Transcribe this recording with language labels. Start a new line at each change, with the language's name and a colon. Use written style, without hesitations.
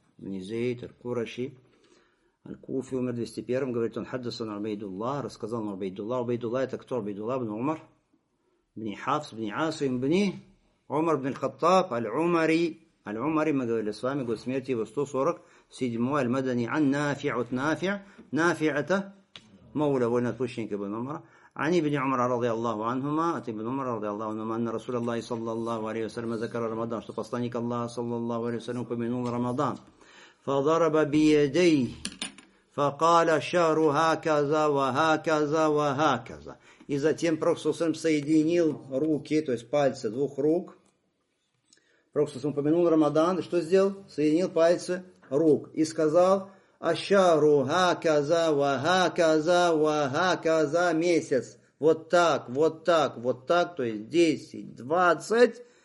Russian: Низейт, Аль-Кураши, Аль-Куфи, умер 201-м, говорит он, хаддасан Убайдуллах, рассказал на Убайдуллах. Убайдуллах это кто? Убайдуллах ибн Умар, ибн Хафс, ибн Асим, ибн Умар, ибн Аль-Хаттаб, Аль-Умари. Аль-Умари, мы говорили с вами, год смерти его 147-й, Аль-Мадани, Ан-Нафи', от Нафи', Нафи' это мауля, вольноотпущенник ибн Умара.
Arabic: عن ابن عمر رضي الله عنهما أتى ابن عمر رضي الله عنهما أن رسول الله صلى الله عليه وسلم ذكر رمضان
Russian: что посланник
Arabic: الله صلى الله عليه وسلم
Russian: упомянул
Arabic: رمضان فضرب بيديه فقال شهر هكذا وهكذا وهكذا.
Russian: И затем Пророк соединил руки, то есть пальцы двух рук. Пророк упомянул رمضان, что сделал? Соединил пальцы рук и сказал: «Ашару хаказа, вахаказа, вахаказа, месяц». Вот так, вот так, вот так, то есть 10, 20.